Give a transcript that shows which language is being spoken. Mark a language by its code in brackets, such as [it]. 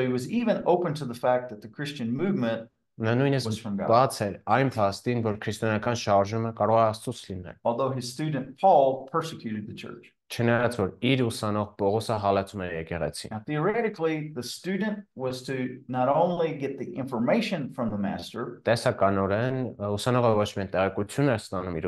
[en] So he was even open to the fact that the Christian movement, [hy] նա նույնիսկ բաց էր այն փաստին, որ քրիստոնական շարժումը կարող է աստծուց լինել։ [en] Although his student Paul persecuted the church. [hy] Չնայած որ իր ուսանող Պողոսը հալածում էր եկեղեցին։ [en] Theoretically, the student was to not only get the information from the master, [hy] տեսականորեն ուսանողը ոչ միայն տեղեկություն էր ստանում իր